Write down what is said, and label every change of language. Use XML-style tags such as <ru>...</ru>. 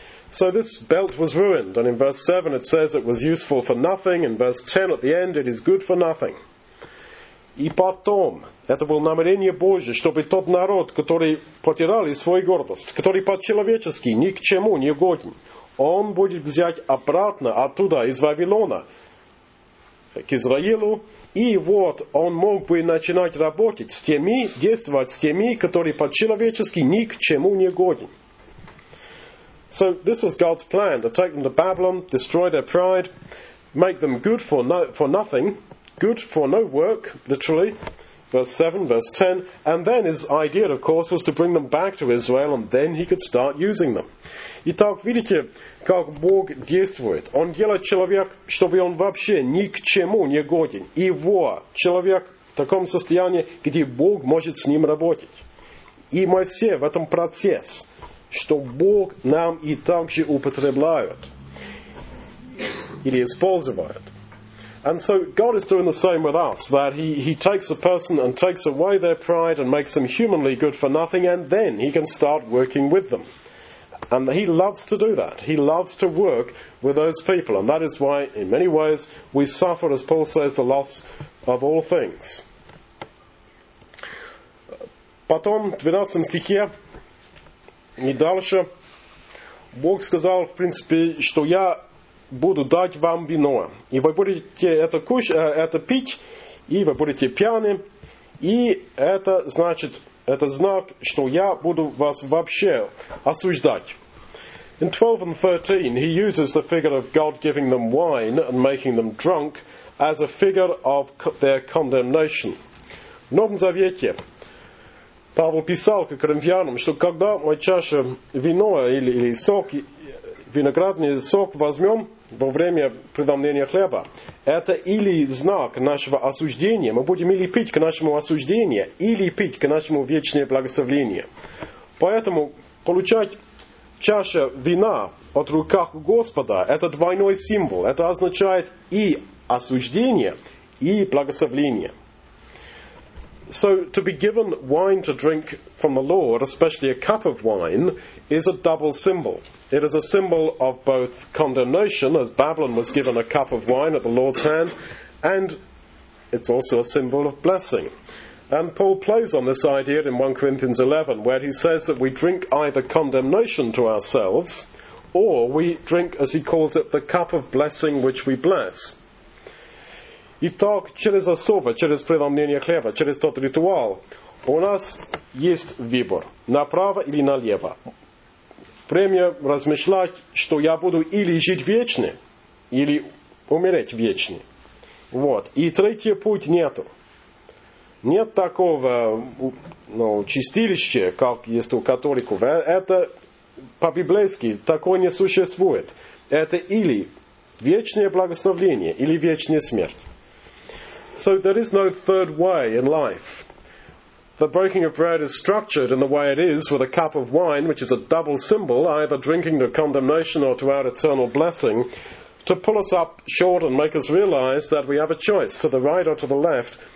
<en>So this belt was ruined. And in verse 7 it says it was useful for nothing. In verse 10 at the end it is good for nothing.</en> <ru>И потом, это было намерение Божье, чтобы тот народ, который потерял свою гордость, который по-человечески ни к чему не годен, он будет взять обратно оттуда, из Вавилона, к Израилю, и вот он мог бы начинать работать с теми, действовать с теми, которые по-человечески ни к чему не годен.</ru> <en>So this was God's plan, to take them to Babylon, destroy their pride, make them good for, for nothing, good for no work, literally, verse 7, verse 10, and then his idea, of course, was to bring them back to Israel, and then he could start using them.</en> <ru>Итак, видите, как Бог действует. Он делает человек, чтобы он вообще ни к чему не годен. И вот, человек в таком состоянии, где Бог может с ним работать. И мы все в этом процессе, что Бог нам и так же употребляет или использует.</ru> <en>And so God is doing the same with us, that he takes a person and takes away their pride and makes them humanly good for nothing, and then he can start working with them. And he loves to do that. He loves to work with those people. And that is why, in many ways, we suffer, as Paul says, the loss of all things.</en> <ru>Потом, в 12 стихе, и дальше, Бог сказал, в принципе, что я буду дать вам вино, и вы будете это пить, и вы будете пьяны, и это значит, это знак, что я буду вас вообще осуждать.</ru> <en>In 12 and 13, he uses the figure of God giving them wine and making them drunk as a figure of their condemnation.</en> <ru>В Новом Завете Павел писал к коринфянам, что когда мы чашу вина или сок, виноградный сок возьмем во время преломления хлеба, это или знак нашего осуждения, мы будем или пить к нашему осуждению, или пить к нашему вечному благословению. Поэтому получать чашу вина от руках Господа, это двойной символ. Это означает и осуждение, и благословение.</ru> <en>So to be given wine to drink from the Lord, especially a cup of wine, is a double symbol. It is a symbol of both condemnation, as Babylon was given a cup of wine at the Lord's hand, and it's also a symbol of blessing. And Paul plays on this idea in 1 Corinthians 11, where he says that we drink either condemnation to ourselves, or we drink, as he calls it, the cup of blessing which we bless.</en> <ru>Итак, через особо, через преломление хлеба, через тот ритуал, у нас есть выбор, направо или налево. Время размышлять, что я буду или жить вечно, или умереть вечно. Вот. И третий путь нету. Нет такого, ну, чистилища, как есть у католиков. Это по-библейски, такое не существует. Это или вечное благословение, или вечная смерть.</ru> <en>So there is no third way in life. The breaking of bread is structured in the way it is, with a cup of wine, which is a double symbol, either drinking to condemnation or to our eternal blessing, to pull us up short and make us realize that we have a choice, to the right or to the left.</en>